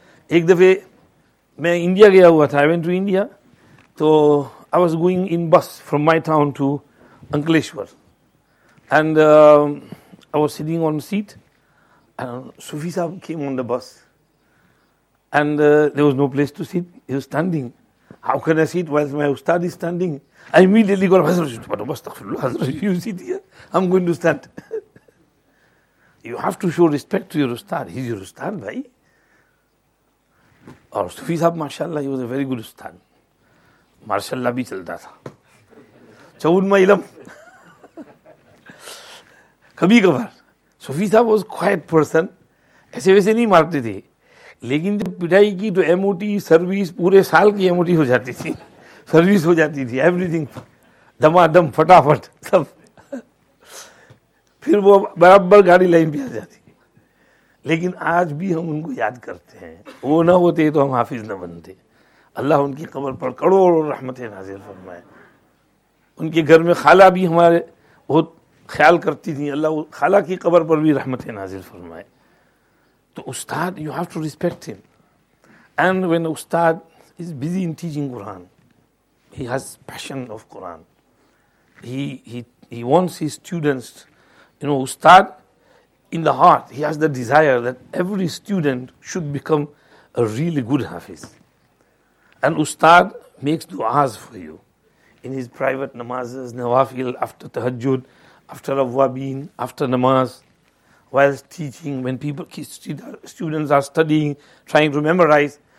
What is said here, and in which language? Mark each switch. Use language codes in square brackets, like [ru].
[ur] ایک دفعہ میں انڈیا گیا ہوا تھا, [en] I went to India, تو I was going in bus from my town to Ankleshwar, and I was sitting on seat, صوفی صاحب came on the bus, and there was no place to sit, he was standing, how can I sit while my استاد is standing. I immediately go حضرت, استغفر اللہ, حضرت you sit here, I am going to stand. You have to show respect to your ustad. He's your ustad, bhai. [ur] Aur [en] Sufi sahab, mashallah, he was a very good ustad. [ur] Mashallah bhi chalta tha. Chawun ma ilam. Kabhi kabhar. [en] Sufi sahab was quiet person. [ur] Aise waise nahi marte thi. Lekin jab pitai ki to MOT service, pure saal ki MOT ho jati thi. Service ho jati thi. Everything. Dama dam, phata phat. Sab. پھر وہ برابر گاڑی line پہ آ جاتی. لیکن آج بھی ہم ان کو یاد کرتے ہیں, وہ نہ ہوتے تو ہم حافظ نہ بنتے. اللہ ان کی قبر پر کروڑوں رحمتیں نازل فرمائے. ان کے گھر میں خالہ بھی ہمارے بہت خیال کرتی تھیں, اللہ خالہ کی قبر پر بھی رحمتیں نازل فرمائے. [en] تو استاد, you have to respect him, and when استاد is busy in teaching Quran, he has passion of Quran, he wants his students. You know, Ustad, in the heart, he has the desire that every student should become a really good Hafiz. And Ustad makes du'as for you in his private namazes, nawafil, after tahajjud, after awwabin, after namaz, whilst teaching, when people, students are studying, trying to memorize.